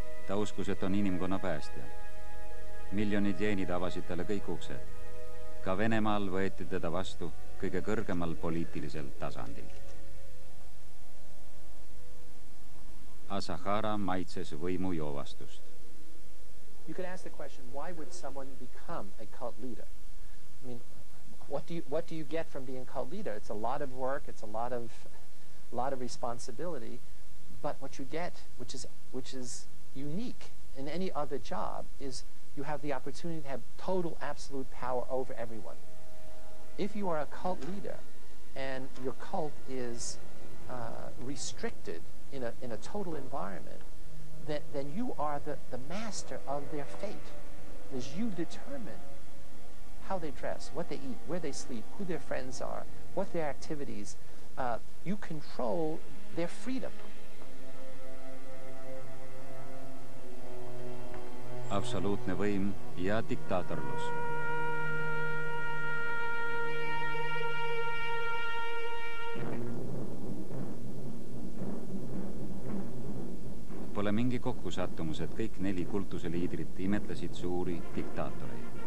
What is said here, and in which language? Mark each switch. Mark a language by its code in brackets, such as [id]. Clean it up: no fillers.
[et] Ta uskus, et on inimkonna päästja. Miljonid jeenid avasid talle kõik uksed. Ka Venemaal võeti teda vastu kõige kõrgemal poliitilisel tasandil. Asahara maitses võimu joovastust. [en] You could ask the question, why would someone become a cult leader? I mean, what do you get from being a cult leader? It's a lot of work, it's a lot of responsibility, but what you get, which is unique in any other job, is you have the opportunity to have total, absolute power over everyone. If you are a cult leader and your cult is restricted in a total environment, then you are the master of their fate. As you determine how they dress, what they eat, where they sleep, who their friends are, what their activities, you control their freedom. [et] Absoluutne võim ja diktaatorlus. Pole mingi kokkusattumus, et kõik neli kultuse liidrit imetlesid suuri diktaatoreid.